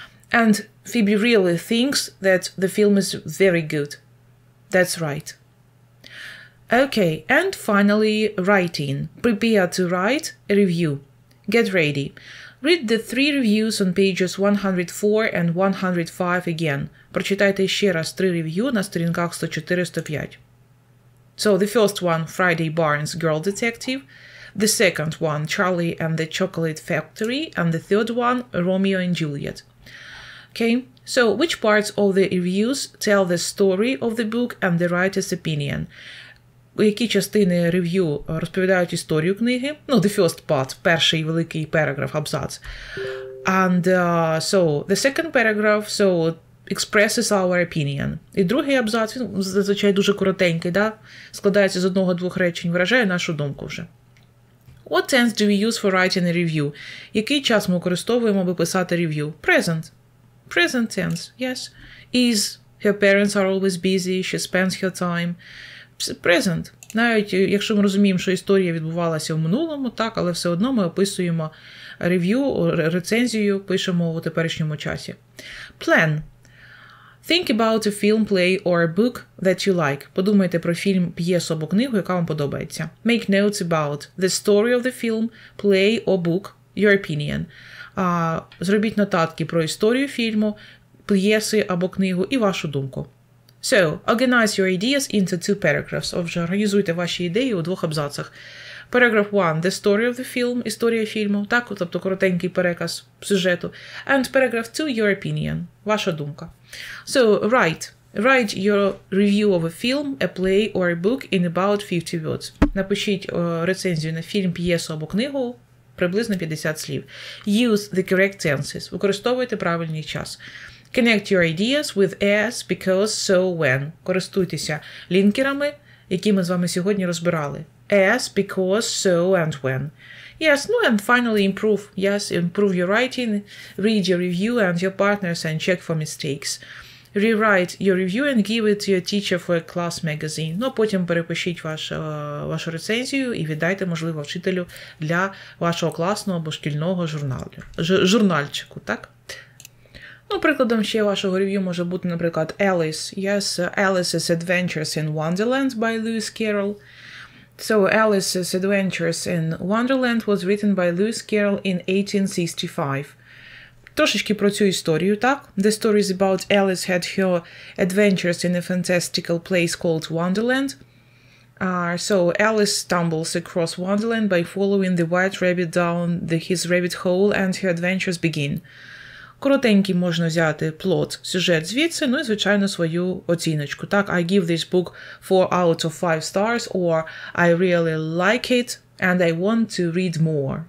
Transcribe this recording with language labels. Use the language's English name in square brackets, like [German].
[English] And Phoebe really thinks that the film is very good. That's right. Okay, and finally, writing. Prepare to write a review. Get ready. Read the three reviews on pages 104 and 105 again. [Ukrainian] Прочитайте ще раз три review на сторінках 104-105. [English] So, the first one, Friday Barnes, Girl Detective. The second one, Charlie and the Chocolate Factory. And the third one, Romeo and Juliet. Okay, so which parts of the reviews tell the story of the book and the writer's opinion? [Ukrainian] Які частини review розповідають історію книги? Ну, [English] the first part, [Ukrainian] перший великий [English] paragraph, [Ukrainian] абзац. [English] And so, the second paragraph, so, expresses our opinion. [Ukrainian] І другий абзац, він зазвичай дуже коротенький, да? Складається з одного-двох речень, виражає нашу думку вже. [English] What tense do we use for writing a review? [Ukrainian] Який час ми використовуємо, аби писати review? [English] Present. Present tense, yes. Is, her parents are always busy, she spends her time. Present. [Ukrainian] Навіть якщо ми розуміємо, що історія відбувалася в минулому, так, але все одно ми описуємо рев'ю, рецензію, пишемо у теперішньому часі. [English] Plan. Think about a film, play or a book that you like. [Ukrainian] Подумайте про фільм, п'єсу або книгу, яка вам подобається. [English] Make notes about the story of the film, play or book, your opinion. [Ukrainian] Зробіть нотатки про історію фільму, п'єси або книгу і вашу думку. [English] So, organize your ideas into two paragraphs. [Ukrainian] Отже, організуйте ваші ідеї у двох абзацах. [English] Paragraph 1 – the story of the film, [Ukrainian] історія фільму, так, тобто коротенький переказ сюжету. [English] And paragraph 2 – your opinion, [Ukrainian] ваша думка. [English] So, write. Write your review of a film, a play or a book in about 50 words. [Ukrainian] Напишіть рецензію на фільм, п'єсу або книгу приблизно 50 слів. [English] Use the correct tenses. [Ukrainian] Використовуйте правильний час. [English] Connect your ideas with as, because, so, when. [Ukrainian] Користуйтеся лінкерами, які ми з вами сьогодні розбирали. [English] As, because, so, and when. Yes, [Ukrainian] ну, [English] and finally improve. Yes, improve your writing, read your review and your partners and check for mistakes. Rewrite your review and give it to your teacher for a class magazine. [Ukrainian] Ну, а потім перепишіть вашу рецензію і віддайте, можливо, вчителю для вашого класного або шкільного журналу. Журнальчику, так? Ну, прикладом ще вашого рев'ю може бути, наприклад, Alice. [English] Yes, Alice's Adventures in Wonderland by Lewis Carroll. So, Alice's Adventures in Wonderland was written by Lewis Carroll in 1865. [Ukrainian] Трошечки про цю історію, так? [English] The story is about Alice had her adventures in a fantastical place called Wonderland. So, Alice stumbles across Wonderland by following the white rabbit down his rabbit hole and her adventures begin. [Ukrainian] Коротенький можна взяти плот, сюжет звідси, ну і, звичайно, свою оціночку. Так, [English] I give this book 4 out of 5 stars, or I really like it, and I want to read more.